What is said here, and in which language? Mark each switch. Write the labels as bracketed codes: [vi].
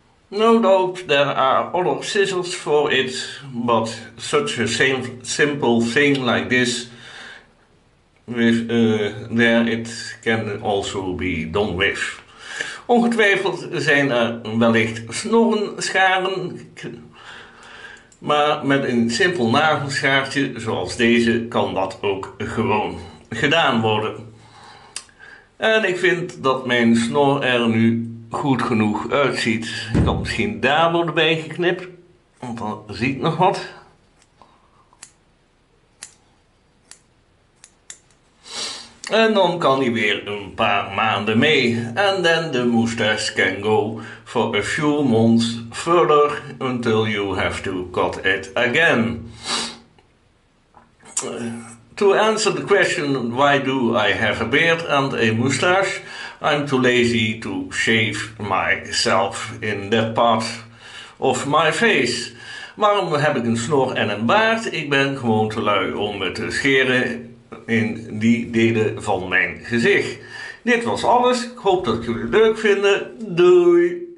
[en] No doubt there are other scissors for it, but such a simple thing like this, with, there it can also be done with. [nl] Ongetwijfeld zijn er wellicht snorrenscharen, maar met een simpel nagelschaartje zoals deze kan dat ook gewoon gedaan worden. En ik vind dat mijn snor er nu goed genoeg uitziet. Ik kan misschien daar worden bijgeknipt, want dan zie ik nog wat. En dan kan hij weer een paar maanden mee. [en] And then the moustache can go for a few months further until you have to cut it again. To answer the question, why do I have a beard and a moustache? I'm too lazy to shave myself in that part of my face. [nl] Waarom heb ik een snor en een baard? Ik ben gewoon te lui om me te scheren in die delen van mijn gezicht. Dit was alles. Ik hoop dat jullie het leuk vinden. Doei!